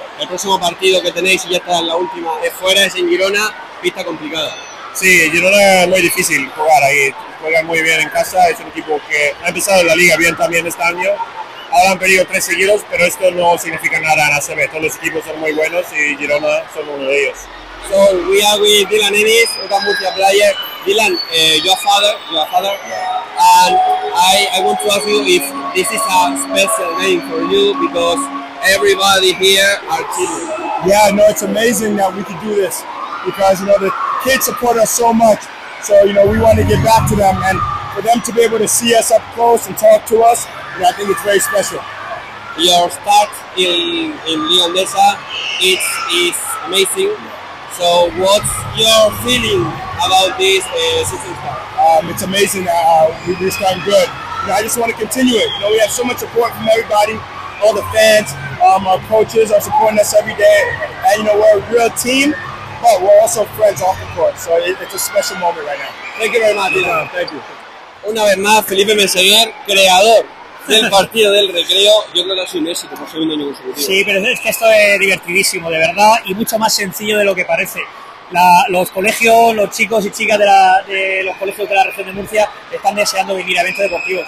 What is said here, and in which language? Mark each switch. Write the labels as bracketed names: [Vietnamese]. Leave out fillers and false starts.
[Spanish] El próximo partido que tenéis, y ya está en la última, es fuera, es en Girona. Pista complicada. Sí, Girona es muy difícil jugar ahí. Juegan muy bien en casa. Es un equipo que ha empezado la liga bien también este año. Ahora han perdido 3 seguidos, pero esto no significa nada en ACB. Todos los equipos son muy buenos y Girona son uno de ellos. [English] So, we are with Dylan Ennis, otra Murcia player. Dylan, your father, and I want to ask you if this is a special game for you, because everybody here are children. Yeah, no, it's amazing that we could do this, because, you know, the kids support us so much, so, you know, we want to give back to them, and for them to be able to see us up close and talk to us, you know, I think it's very special. Your start in Leonesa, it's amazing. So what's your feeling about this season start? It's amazing that we've done good. You know, I just want to continue it. You know, we have so much support from everybody, all the fans, our coaches are supporting us every day. And you know, we're a real team, but we're also friends off the court. So it's a special moment right now. Thank you very much. Yeah, thank you. [Spanish] Una vez más, Felipe Meseguer, creador del partido del recreo, yo creo que ha sido un éxito por segundo año consecutivo. Sí, pero es que esto es divertidísimo, de verdad, y mucho más sencillo de lo que parece. Los colegios, los chicos y chicas de los colegios de la región de Murcia están deseando vivir eventos deportivos.